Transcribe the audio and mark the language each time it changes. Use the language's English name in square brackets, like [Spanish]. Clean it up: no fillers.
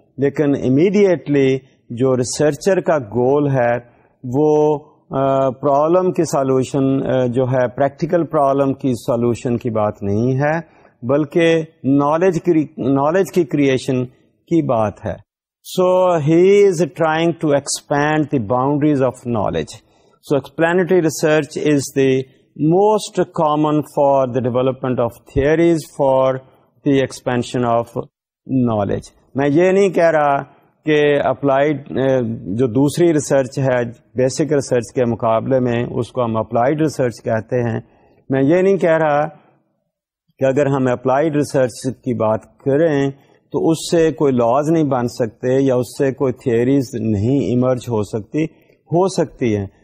[Urdu] لیکن امیڈیٹلی جو ریسرچر کا گول ہے وہ پرابلم کی سولوشن جو ہے پریکٹیکل پرابلم کی سولوشن کی بات نہیں ہے بلکہ نالج کی کریشن کی بات ہے. [English] So he is trying to expand the boundaries of knowledge. So explanatory research is the most common for the development of theories for the expansion of knowledge. [Urdu] میں یہ نہیں کہہ رہا کہ اپلائیڈ جو دوسری ریسرچ ہے بیسک ریسرچ کے مقابلے میں اس کو ہم اپلائیڈ ریسرچ کہتے ہیں. میں یہ نہیں کہہ رہا کہ اگر ہم اپلائیڈ ریسرچ کی بات کریں تو اس سے کوئی لاز نہیں بن سکتے یا اس سے کوئی تھیوریز نہیں ایمرج ہو سکتی. ہو سکتی ہیں.